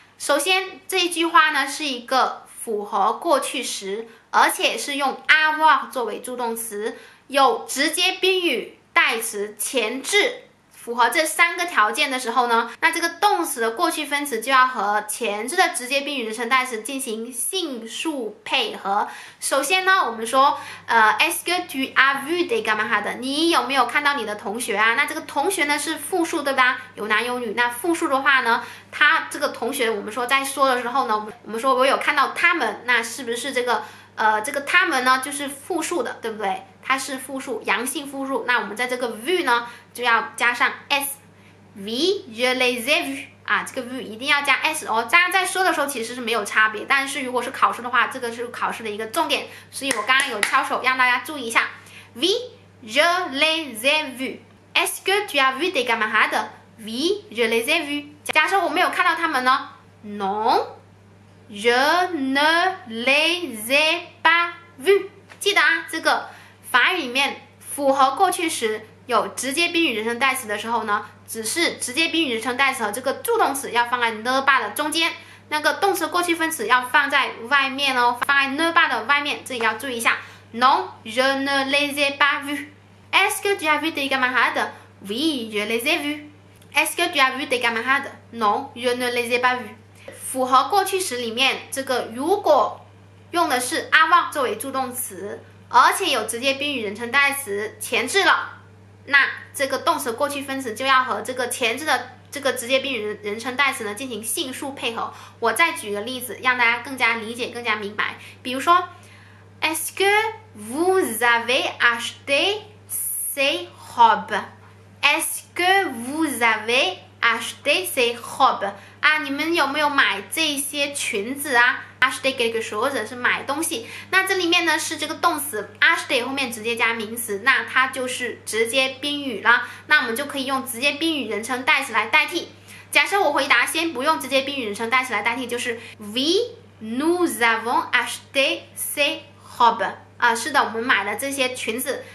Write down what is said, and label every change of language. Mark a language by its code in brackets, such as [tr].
[zh] 首先这一句话呢是一个复合过去时，而且是用 avoir 作为助动词，有直接宾语代词前置，符合这三个条件的时候呢，那这个动词的过去分词就要和前置的直接宾语人称代词进行性数配合。 [fr] 首先呢，我们说Est-ce que tu as vu des camarades？ [zh] 你有没有看到你的同学啊？那这个同学呢是复数对吧，有男有女，那复数的话呢，他这个同学我们说在说的时候呢，我们说我有看到他们，那是不是这个他们呢就是复数的对不对，它是复数，阳性复数，那我们在这个 vu 呢就要加上 s， vu [fr] je les ai vu [zh] 啊，这个 vu 一定要加 s 哦。大家在说的时候其实是没有差别，但是如果是考试的话，这个是考试的一个重点，所以我刚刚有敲手让大家注意一下， vu [fr] je les ai vu。 Est-ce que tu as vu des camarades？ vu je les ai vu。 [zh] 假设我没有看到他们呢？ [fr] non je ne les ai pas vu。 [zh] 记得啊，这个法语里面复合过去时有直接宾语人称代词的时候呢，只是直接宾语人称代词和这个助动词要放在 ne pas 的中间，那个动词过去分词要放在外面哦，放在 ne pas 的外面，这里要注意一下。 [fr] Non je ne les ai pas vu。 Est-ce que tu as vu des camarades？ Oui je les ai vu。 Est-ce que tu as vu des camarades？ Non je ne les ai pas vu。 [zh] 复合过去时里面这个如果用的是 avoir 作为助动词，而且有直接宾语人称代词前置了，那这个动词过去分词就要和这个前置的这个直接宾语人称代词呢进行性数配合。我再举个例子让大家更加理解更加明白，比如说 [fr] Est-ce que vous avez acheté ces robes？ Est-ce que vous avez acheté ces robes？ [zh] 啊，你们有没有买这些裙子啊？acheté quelque chose 是买东西，那这里面呢是这个动词 acheté 后面直接加名词，那它就是直接宾语了，那我们就可以用直接宾语人称代词来代替。假设我回答先不用直接宾语人称代词来代替，就是 [fr] Oui nous avons acheté ces robes、 [zh] 是的，我们买了这些裙子。